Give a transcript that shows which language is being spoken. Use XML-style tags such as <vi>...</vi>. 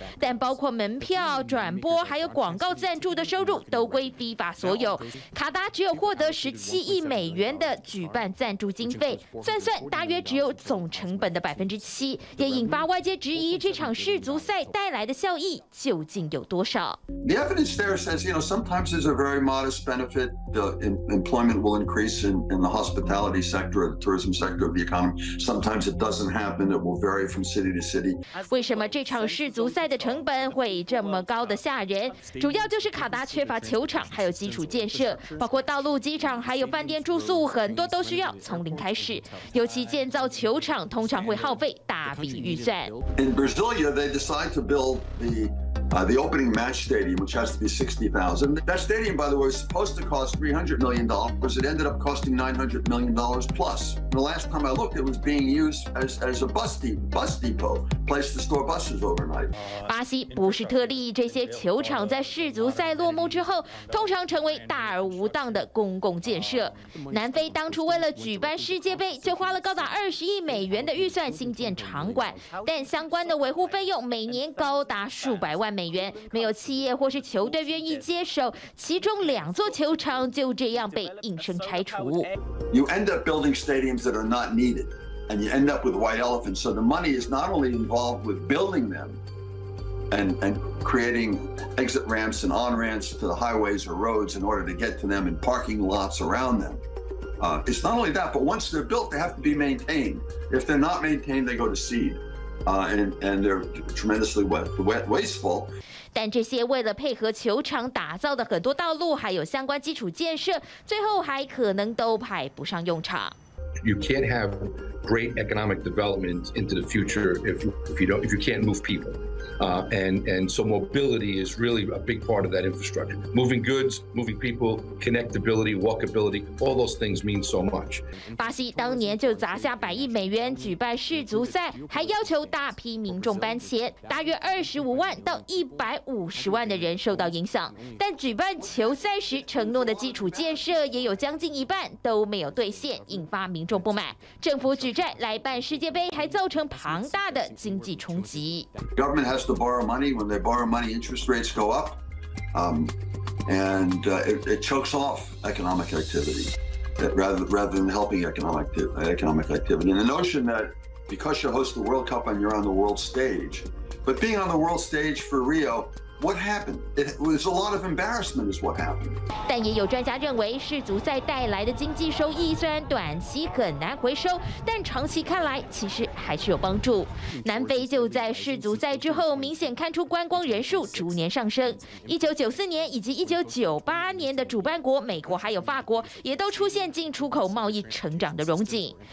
<zh>但包括门票、转播还有广告赞助的收入都归 FIFA 所有，卡达只有获得17亿美元的举办赞助经费，算算大约只有总成本的7%，也引发外界质疑这场世足赛带来的效益究竟有多少。</zh> <en>The evidence there says, you know, sometimes there's a very modest benefit. The employment will increase in the hospitality sector, the tourism sector of the economy. Sometimes it doesn't happen. It will vary from city to city.</en> <zh>为什么这场世足赛的成本会这么高的吓人？主要就是卡达缺乏球场，还有基础建设，包括道路、机场，还有饭店住宿，很多都需要从零开始。尤其建造球场通常会耗费大笔预算。</zh> <en>In Brasilia, they decide to build the opening match stadium, which has to be 60,000. That stadium, by the way, was supposed to cost $300 million. It ended up costing $900 million plus. The last time I looked, it was being used as a bus depot, place to store buses overnight.</en> <zh>巴西不是特例，这些球场在世足赛落幕之后，通常成为大而无当的公共建设。南非当初为了举办世界杯，就花了高达$200亿的预算新建场馆，但相关的维护费用每年高达数百万。美元，没有企业或是球队愿意接手，其中两座球场就这样被硬生拆除。</zh> <en>You end up building stadiums that are not needed, and you end up with white elephants. So the money is not only involved with building them and creating exit ramps and on ramps to the highways or roads in order to get to them and parking lots around them. It's not only that, but once they're built, they have to be maintained. If they're not maintained, they go to seed. And they're tremendously wasteful.</en> <zh>但这些为了配合球场打造的很多道路，还有相关基础建设，最后还可能都派不上用场。</zh> <en>You can't have great economic development into the future if you can't move people. And so mobility is really a big part of that infrastructure. Moving goods, moving people, connectability, walkability, all those things mean so much.</en> <zh>巴西当年就砸下$100亿举办世足赛，还要求大批民众搬迁，大约25万到150万的人受到影响。但举办球赛时承诺的基础建设也有将近一半都没有兑现，引发民众不满。政府举债来办世界杯，还造成庞大的经济冲击。</zh> <en>Has to borrow money. When they borrow money, interest rates go up, it chokes off economic activity rather than helping economic activity. And the notion that because you host the World Cup and you're on the world stage, but being on the world stage for Rio. What happened? It was a lot of embarrassment, is what happened.</en> <zh>但也有专家认为，世足赛带来的经济收益虽然短期很难回收，但长期看来其实还是有帮助。南非就在世足赛之后明显看出观光人数逐年上升。 1994年以及1998年的主办国美国还有法国也都出现进出口贸易成长的荣景。</zh>